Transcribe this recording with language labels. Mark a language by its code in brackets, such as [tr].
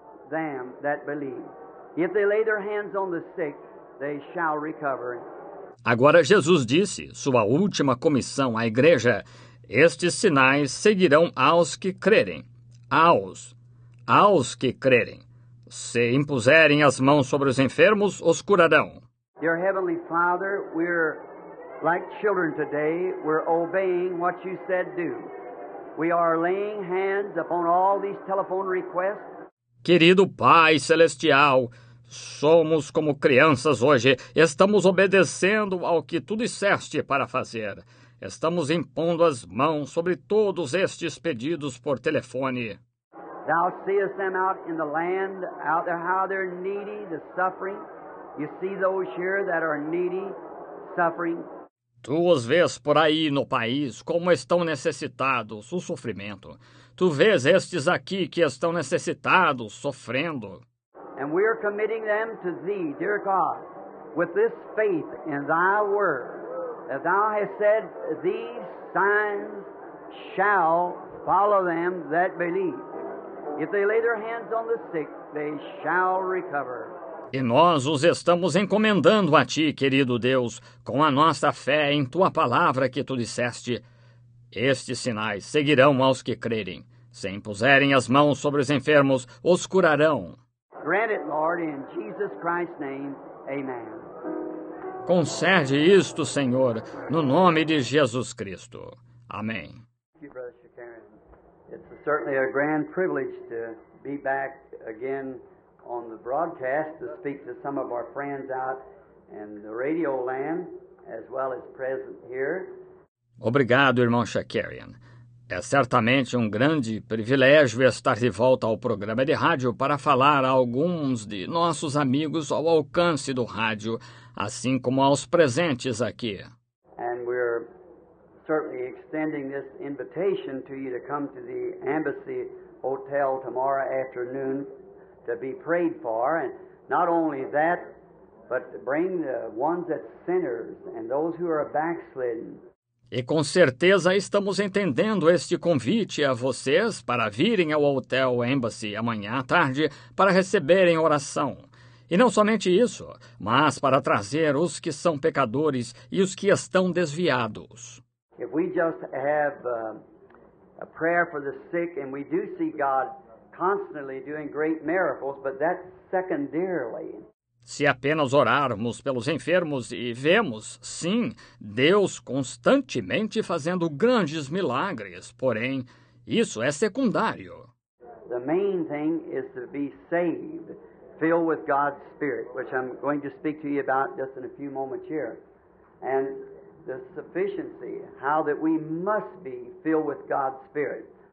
[en] Them that believe. If they lay their hands on the sick, they shall recover. [pt] Agora Jesus disse, sua última comissão à igreja, estes sinais seguirão aos que crerem. Aos que crerem. Se impuserem as mãos sobre os enfermos, os curarão. [en] Dear Heavenly Father, we're like children today, we're obeying what you said do. We are laying hands upon all these telephone requests. [pt] Querido Pai Celestial, somos como crianças hoje, estamos obedecendo ao que tu disseste para fazer. Estamos impondo as mãos sobre todos estes pedidos por telefone. [en] Thou seest them out in the land, out there how they're needy, the suffering. You see those here that are needy, suffering. [pt] Tu os vês por aí no país, como estão necessitados, o sofrimento. Tu vês estes aqui que estão necessitados, sofrendo. [en] And we are committing them to thee, dear God, with this faith in thy word, that thou hast said, these signs shall follow them that believe. If they lay their hands on the sick, they shall recover. [pt] E nós os estamos encomendando a ti, querido Deus, com a nossa fé em tua palavra que tu disseste. Estes sinais seguirão aos que crerem. Se impuserem as mãos sobre os enfermos, os curarão. [en] Grant it, Lord, in Jesus Christ's name. Amen. [pt] Concede isto, Senhor, no nome de Jesus Cristo. Amém. [en] Thank you, Brother Shakarian. It's certainly a grand privilege to be back again on the broadcast to speak to some of our friends out in the radio land, as well as present here. [pt] Obrigado, irmão Shakarian. É certamente um grande privilégio estar de volta ao programa de rádio para falar a alguns de nossos amigos ao alcance do rádio, assim como aos presentes aqui. [en] And we're certainly extending this invitation to you to come to the Embassy Hotel tomorrow afternoon to be prayed for, and not only that, but to bring the ones that sinners and those who are backslidden. [pt] E com certeza estamos entendendo este convite a vocês para virem ao Hotel Embassy amanhã à tarde para receberem oração. E não somente isso, mas para trazer os que são pecadores e os que estão desviados. [en] If we just have a prayer for the sick and we do see God constantly doing great miracles, but that's secondarily. [pt] Se apenas orarmos pelos enfermos e vemos, sim, Deus constantemente fazendo grandes milagres, porém, isso é secundário. [en] The main thing is to be saved, filled with God's Spirit, which I'm going to speak to you about just in a few moments here. And the sufficiency, how that we must be filled with God's Spirit.